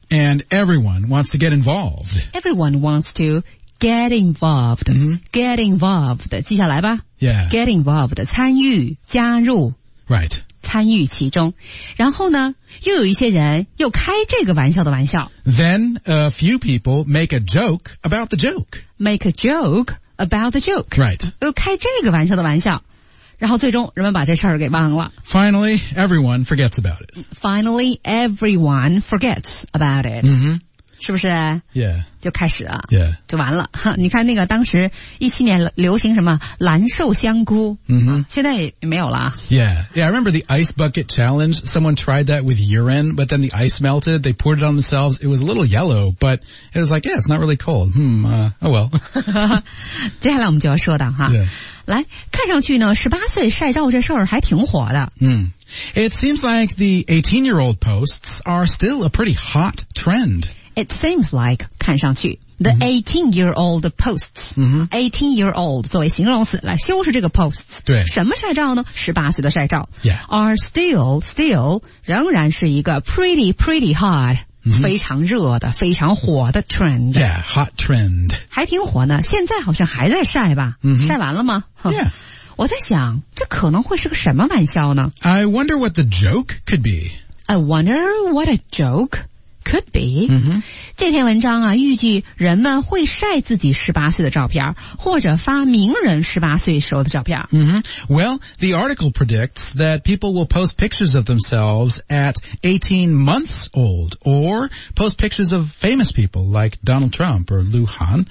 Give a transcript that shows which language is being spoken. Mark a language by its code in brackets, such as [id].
[en] And everyone wants to get involved. Everyone wants to get involved.、 Mm-hmm. Get involved. [zh] 记下来吧。 [en] Yeah. Get involved. [zh] 参与，加入。 [en] Right. [zh] 参与其中。然后呢又有一些人又开这个玩笑的玩笑。 [en] Then a few people make a joke about the joke. Make a joke about the joke. Right. [zh] 又开这个玩笑的玩笑。然后最终人们把这事儿给忘了。 [en] Finally, everyone forgets about it. Finally, everyone forgets about it.、 Mm-hmm. [zh] 是不是 [en] yeah [zh] 就开始了 [en] yeah [zh] 就完了哈，你看那个当时17年流行什么蓝瘦香菇、 mm-hmm. 啊、现在也没有了 [en] yeah I remember the ice bucket challenge. Someone tried that with urine, but then the ice melted. They poured it on themselves. It was a little yellow, but it was like, yeah, it's not really cold. Oh well. [zh] 接下来我们就要说的哈、 [en] yeah. [zh] 来看上去呢18岁晒照这事儿还挺火的、 [en] mm. It seems like the 18-year-old posts are still a pretty hot trend It seems like, [zh] 看上去 [en] the、mm-hmm. 18-year-old posts,、 mm-hmm. [zh] 18-year-old 作为形容词来修饰这个 posts, 对，什么晒照呢 ?18 岁的晒照、 [en] yeah. are still, [zh] 仍然是一个 [en] pretty hot,、 mm-hmm. [zh] 非常热的非常火的 trend. [en] Yeah, hot trend. [zh] 还挺火呢，现在好像还在晒吧、 mm-hmm. 晒完了吗 [en] Yeah. [zh] 我在想这可能会是个什么玩笑呢 [en] ?I wonder what the joke could be. I wonder what a joke. Could be.、 Mm-hmm. [zh] 这篇文章啊预计人们会晒自己18岁的照片或者发名人18岁时候的照片。 Mm-hmm. [en] Well, the article predicts that people will post pictures of themselves at 18 months old or post pictures of famous people like Donald Trump or Liu Han.